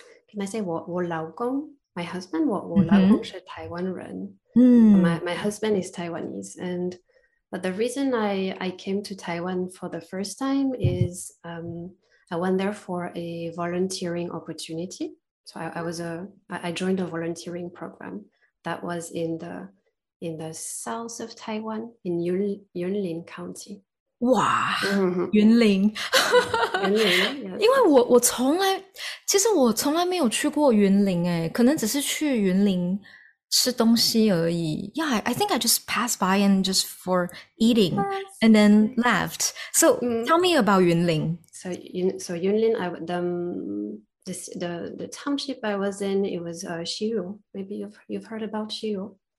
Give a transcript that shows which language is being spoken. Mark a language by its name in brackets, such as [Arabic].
[English] Can I say [Chinese] 我老公 [English] my husband [Chinese] 我老公是台湾人、 [English] my husband is Taiwanese but the reason I came to Taiwan for the first time is I went there for a volunteering opportunity. So I joined a volunteering program that was in the south of Taiwan, in Yunlin County. [Chinese] 哇，云林，云林，因为我从来没有去过云林，哎，可能只是去云林吃东西而已。 [English] Yeah, I think I just passed by and just for eating and then left. So tell me about Yunlin. So Yunlin, the township I was in, it was Xiru. Maybe you've heard about Xiru.